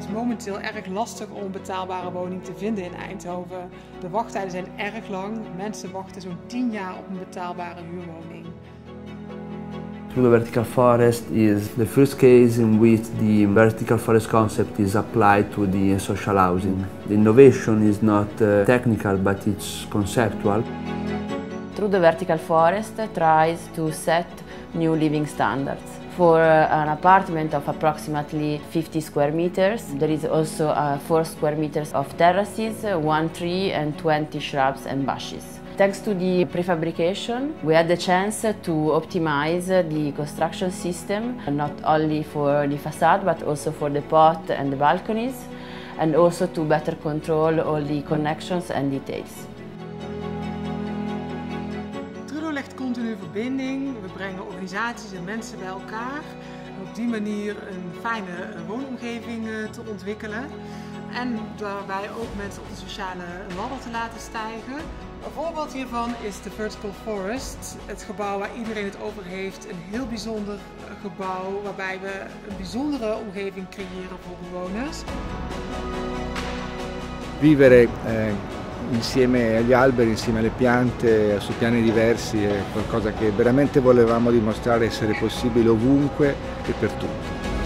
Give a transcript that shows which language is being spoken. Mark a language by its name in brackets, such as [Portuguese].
[Dutch] Het is heel erg lastig om een betaalbare woning te vinden in Eindhoven. De wachttijden zijn erg lang. Mensen wachten zo'n 10 jaar op een betaalbare huurwoning. [English] Trudeau Vertical Forest is the first case in which the vertical forest concept is applied to the social housing. The innovation is not technical, but it's conceptual. Trudeau Vertical Forest tries to set new living standards. For an apartment of approximately 50 square meters, there is also 4 square meters of terraces, 1 tree and 20 shrubs and bushes. Thanks to the prefabrication, we had the chance to optimize the construction system, not only for the facade, but also for the pot and the balconies, and also to better control all the connections and details. [Dutch] Continue verbinding, we brengen organisaties en mensen bij elkaar en op die manier een fijne woonomgeving te ontwikkelen en daarbij ook mensen op de sociale ladder te laten stijgen. Een voorbeeld hiervan is de Vertical Forest, het gebouw waar iedereen het over heeft, een heel bijzonder gebouw waarbij we een bijzondere omgeving creëren voor bewoners. [Italian] Vivere insieme agli alberi, insieme alle piante, su piani diversi, è qualcosa che veramente volevamo dimostrare essere possibile ovunque e per tutti.